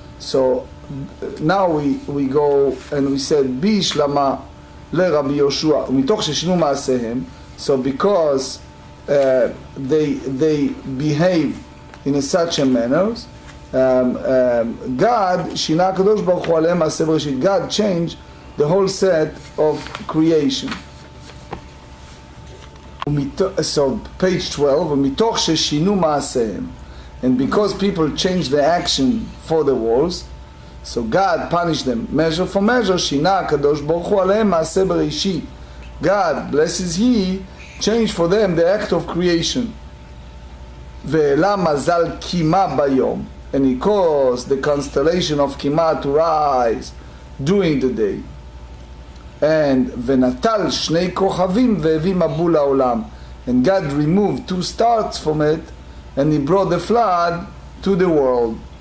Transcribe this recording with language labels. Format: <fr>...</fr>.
<en>So now we go and we said,</en> <he>Bishlama le Rabbi Yoshua, mitoch sheshinu ma'asehem.</he> <en>So because they behave in such a manner, God,</en> <he>Shina Kadosh Baruch Hu aleihem ma'aseh bereshit,</he> <en>God changed the whole set of creation. So page 12,</en> <he>ומתוך ששינו מעשיהם,</he> <en>and because people changed the action for the worse, so God punished them measure for measure,</en> <he>שינה הקדוש ברוך הוא עליהם מעשה בראשית.</he> <en>God, blesses he, changed for them the act of creation.</en> <he>ואלה מזל קימה ביום,</he> <en>and he caused the constellation of קימה to rise during the day. And</en> <he>ונטל שני כוכבים והביא מבול לעולם,</he> <en>and God removed two stars from it and he brought the flood to the world.</en>